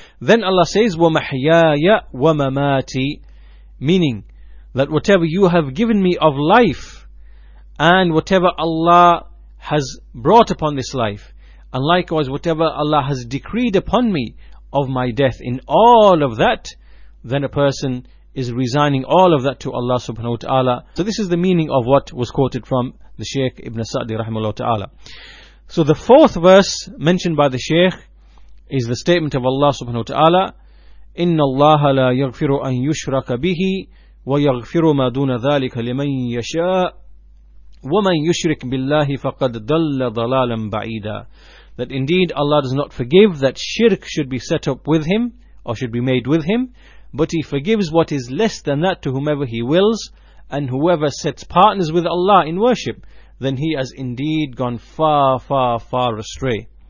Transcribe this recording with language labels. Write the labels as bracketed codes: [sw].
[en] Then Allah says, [ar] وَمَحْيَايَ وَمَمَاتِي, [en] meaning that whatever you have given me of life, and whatever Allah has brought upon this life, and likewise whatever Allah has decreed upon me of my death, in all of that, then a person is resigning all of that to Allah subhanahu wa ta'ala. So this is the meaning of what was quoted from the Shaykh Ibn Sa'di rahimahullah ta'ala. So the fourth verse mentioned by the Shaykh is the statement of Allah subhanahu wa ta'ala, [ar] إِنَّ اللَّهَ لَا يَغْفِرُ أَن يُشْرَكَ بِهِ وَيَغْفِرُ مَا دُونَ ذَلِكَ لِمَن يَشَاءُ وَمَنْ يُشْرِكْ بِاللَّهِ فَقَدْ دَلَّ ضَلَالًا بَعِيدًا. [en] That indeed Allah does not forgive that shirk should be set up with him, or should be made with him, but he forgives what is less than that to whomever he wills, and whoever sets partners with Allah in worship, then he has indeed gone far, far, far astray.